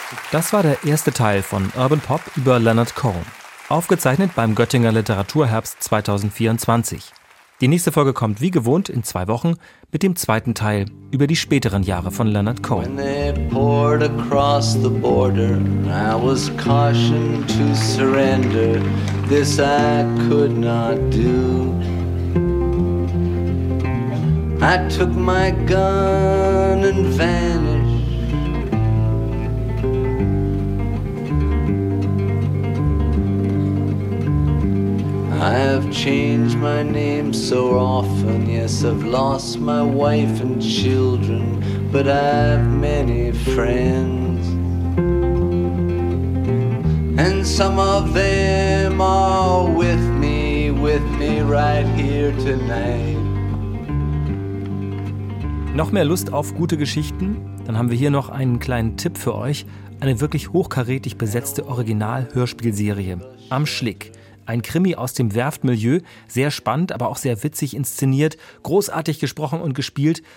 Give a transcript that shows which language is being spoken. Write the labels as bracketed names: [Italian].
[German] Das war der erste Teil von Urban Pop über Leonard Cohen. Aufgezeichnet beim Göttinger Literaturherbst 2024. Die nächste Folge kommt wie gewohnt in 2 Wochen mit dem 2. Teil über die späteren Jahre von Leonard Cohen. [English] When they poured across the border, I was cautioned to surrender. This I could not do. I took my gun and vanished. I have changed my name so often, yes, I've lost my wife and children, but I have many friends, and some of them are with me right here tonight. [German] Noch mehr Lust auf gute Geschichten? Dann haben wir hier noch einen kleinen Tipp für euch, eine wirklich hochkarätig besetzte Original-Hörspielserie, Am Schlick. Ein Krimi aus dem Werftmilieu, sehr spannend, aber auch sehr witzig inszeniert, großartig gesprochen und gespielt.